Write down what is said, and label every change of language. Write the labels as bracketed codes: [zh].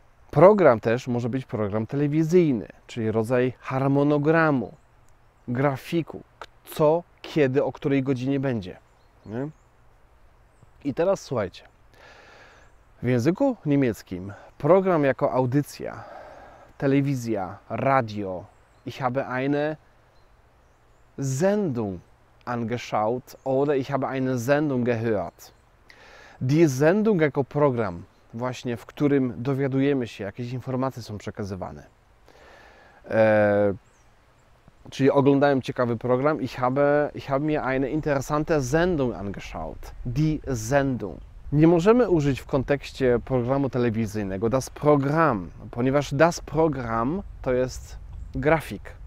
[pl] Program też może być program telewizyjny, czyli rodzaj harmonogramu, grafiku, co, kiedy, o której godzinie będzie. Nie? I teraz słuchajcie. W języku niemieckim program jako audycja, telewizja, radio, [de] ich habe eine Sendung angeschaut oder ich habe eine Sendung gehört. [pl] Die Sendung jako program, właśnie w którym dowiadujemy się, jakieś informacje są przekazywane. Czyli oglądałem ciekawy program, [de] ich habe mir eine interessante Sendung angeschaut. [pl] Die Sendung. Nie możemy użyć w kontekście programu telewizyjnego das Programm, ponieważ das Programm to jest grafik.